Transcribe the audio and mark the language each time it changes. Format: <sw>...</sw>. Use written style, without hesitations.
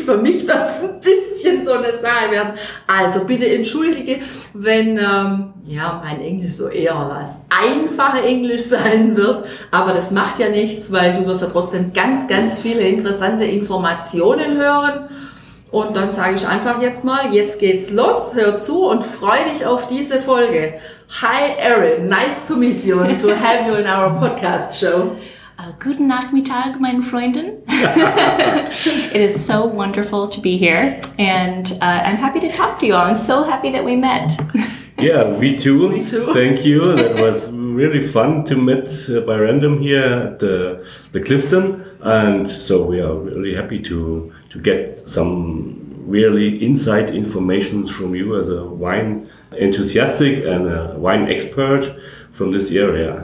<de>Für mich wird es ein bisschen so eine Sache werden. Also bitte entschuldige, wenn mein Englisch so eher was einfacher Englisch sein wird. Aber das macht ja nichts, weil du wirst ja trotzdem ganz, ganz viele interessante Informationen hören. Und dann sage ich einfach jetzt mal, jetzt geht's los, hör zu und freu dich auf diese Folge.</de> <en>Hi Erin, nice to meet you and to have you in our podcast show.</en> <de>Guten Nachmittag, meine Freundin.</de> <en>It is so wonderful to be here and I'm happy to talk to you all. I'm so happy that we met. Yeah, we too. Me too. Thank you. That was really fun to meet by random here at the Clifton. And so we are really happy to get some really inside information from you as a wine enthusiastic and a wine expert from this area.</en>